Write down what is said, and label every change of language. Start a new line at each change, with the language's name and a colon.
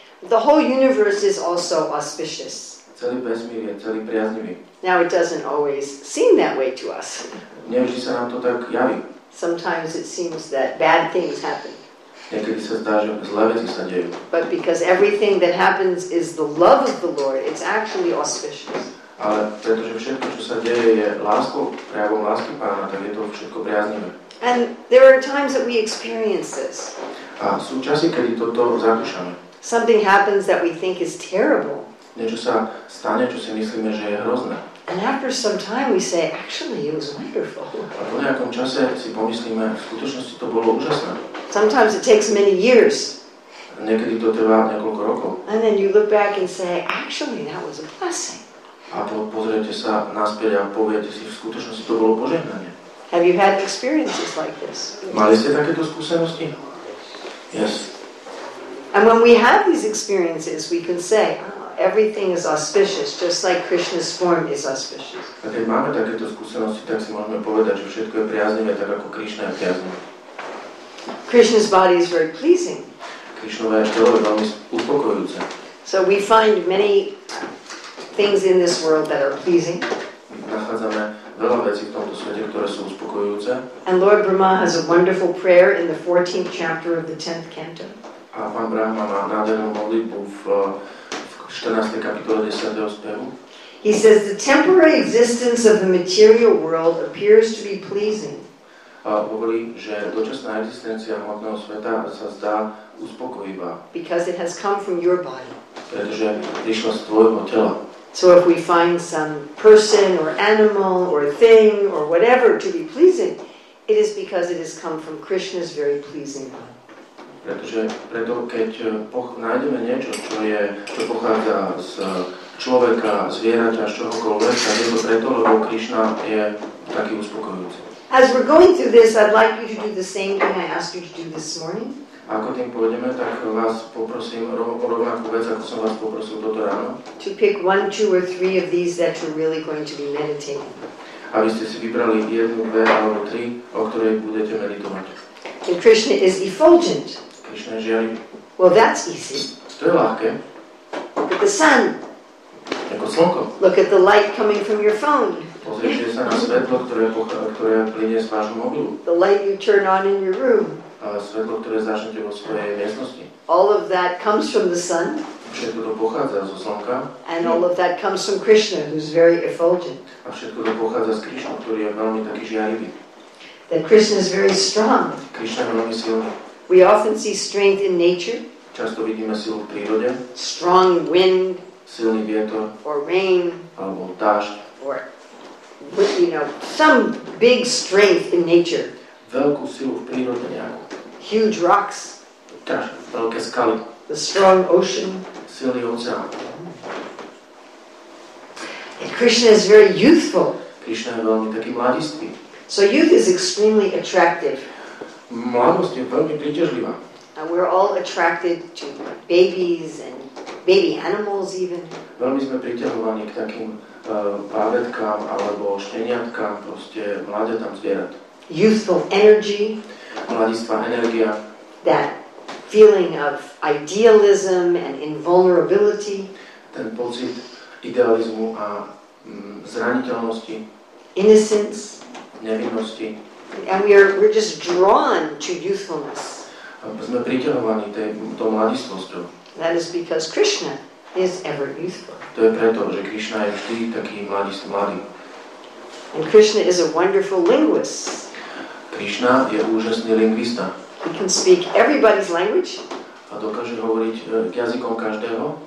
English: The whole universe is also auspicious.
Slovak: Celý vesmír je celý priaznivý.
English: Now it doesn't always seem that way to us.
Slovak: Nevždy sa nám to tak javí.
English: Sometimes it seems that bad things happen.
Slovak: Niekedy sa zdá, že zlé veci sa dejú.
English: But because everything that happens is the love of the Lord, it's actually auspicious.
Slovak: Ale pretože všetko, čo sa deje, je láskou, prejavom lásky Pána, tak je to všetko priaznivé.
English: And there are times that we experience this.
Slovak: A sú časy, kedy toto zakúšame.
English: Something happens that we think is terrible.
Slovak: Niečo sa stane, čo si myslíme, že je hrozné.
English: And after some time we say, actually it was wonderful.
Slovak: A po nejakom čase si pomyslíme, v skutočnosti to bolo úžasné.
English: Sometimes it takes many years.
Slovak: A niekedy to trvá niekoľko rokov.
English: And then you look back and say, actually that was a blessing.
Slovak: A pozriete sa naspäť a poviete si, v skutočnosti to bolo požehnanie.
English: Have you had experiences like this?
Slovak: Mali ste takéto skúsenosti?
English: Yes. And when we have these experiences, we can say, everything is auspicious, just like Krishna's form is auspicious.
Slovak: A keď máme takéto skúsenosti, tak si môžeme povedať, že všetko je priaznivé, tak ako Krishna je priaznivé.
English: Krishna's body is very pleasing.
Slovak: Krishnové telo je veľmi uspokojujúce.
English: So we find many things in this world that are pleasing.
Slovak: Nachádzame veľa vecí v tomto svete, ktoré sú uspokojujúce.
English: And Lord Brahma has a wonderful prayer in the 14th chapter of the 10th canto.
Slovak: A pán Brahma má nádhernú modlitbu v 14. kapitole 10. spevu.
English: He says the temporary existence of the material world appears to be pleasing.
Slovak: Hovorí, že dočasná existencia hmotného sveta sa zdá uspokojivá.
English: Because it has come from your body.
Slovak: Pretože prišlo z tvojho tela.
English: So if we find some person or animal or thing or whatever to be pleasing, it is because it has come from Krishna's very pleasing one.
Slovak: Preto keď nájdeme niečo, čo pochádza z človeka, zvieraťa, z čohokoľvek, tak je to preto, lebo Krishna je taký uspokojujúci.
English: As we're going through this, I'd like you to do the same thing I asked you to do this morning.
Slovak: Ako tým pôjdeme, tak vás poprosím o rovnakú vec, ako som vás poprosil toto ráno.
English: To pick one, two or three of these that you're really going to be meditating.
Slovak: Aby ste si vybrali jednu, dve alebo tri, o ktorej budete meditovať.
English: And Krishna is effulgent.
Slovak: Krishna žiari.
English: Well, that's easy.
Slovak: To je ľahké.
English: Look at the sun.
Slovak: Ako slnko.
English: Look at the light coming from your phone.
Slovak: Pozrite sa na svetlo, ktoré plynie z vášho mobilu.
English: The light you turn on in your room.
Slovak: A svetlo, ktoré zažnete vo svojej miestnosti.
English: All of that comes from the sun.
Slovak: Všetko to pochádza zo slnka.
English: And all of that comes from Krishna, who's very effulgent.
Slovak: A všetko to pochádza z Krishna, ktorý je veľmi taký žiarivý.
English: That Krishna is very strong.
Slovak: Krishna je veľmi silný.
English: We often see strength in nature.
Slovak: Často vidíme silu v prírode.
English: Strong wind.
Slovak: Silný vietor.
English: Or rain.
Slovak: Alebo dážď.
English: Or, you know, some big strength in nature.
Slovak: Veľkú silu v prírode nejakú.
English: Huge rocks.
Slovak: Veľké skaly.
English: The strong ocean.
Slovak: Silný oceán.
English: And Krishna is very youthful.
Slovak: Krishna je veľmi taký mladistvý.
English: So youth is extremely attractive.
Slovak: Mladosť je veľmi príťažlivá.
English: And we're all attracted to babies and baby animals even.
Slovak: Veľmi sme priťahovaní k takým bábätkám alebo šteniatkám, proste mladiatám zvierat.
English: Youthful energy.
Slovak: Mladistvá energia.
English: That feeling of idealism and invulnerability.
Slovak: Ten pocit idealizmu a zraniteľnosti.
English: Innocence.
Slovak: Nevinnosti.
English: And we're just drawn to youthfulness.
Slovak: Sme priťahovaní tou mladistvosťou.
English: That is because Krishna is ever youthful.
Slovak: To je preto, že Krishna je vždy taký mladý.
English: And Krishna is a wonderful linguist.
Slovak: Krishna je úžasný lingvista.
English: He can speak everybody's language.
Slovak: A dokáže hovoriť jazykom každého.